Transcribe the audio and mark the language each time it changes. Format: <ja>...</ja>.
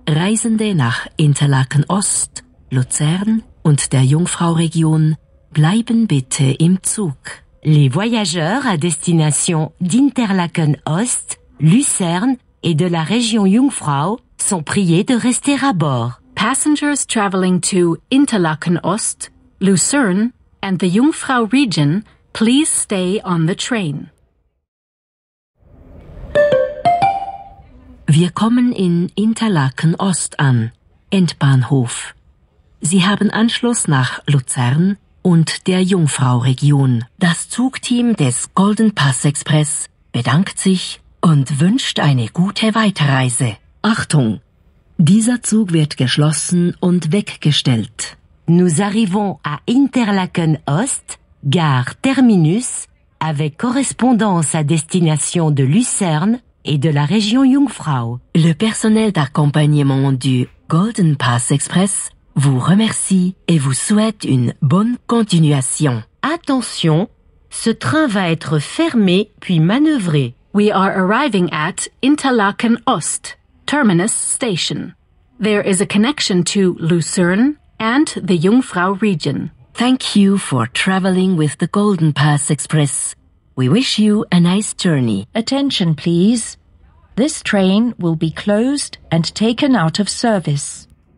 <de>Reisende nach Interlaken Ost, Luzern und der Jungfrauregion bleiben bitte im Zug.</de> <fr>Les voyageurs à destination d'Interlaken Ost, Lucerne et de la région Jungfrau sont priés de rester à bord.</fr> <en>Passengers traveling to Interlaken Ost, Lucerne and the Jungfrau region, please stay on the train.</en> <de>Wir kommen in Interlaken Ost an, Endbahnhof. Sie haben Anschluss nach Luzern und der Jungfrau-Region. Das Zugteam des Golden Pass Express bedankt sich und wünscht eine gute Weiterreise. Achtung! Dieser Zug wird geschlossen und weggestellt.</de> <fr>Nous arrivons à Interlaken Ost, gare Terminus, avec correspondance à destination de Lucerne et de la région Jungfrau. Le personnel d'accompagnement du Golden Pass Express vous remercie et vous souhaite une bonne continuation. Attention, ce train va être fermé puis manœuvré.</fr> <en>We are arriving at Interlaken Ost, Terminus Station. There is a connection to Lucerne and the Jungfrau region. Thank you for traveling with the Golden Pass Express. We wish you a nice journey. Attention, please. This train will be closed and taken out of service.</en>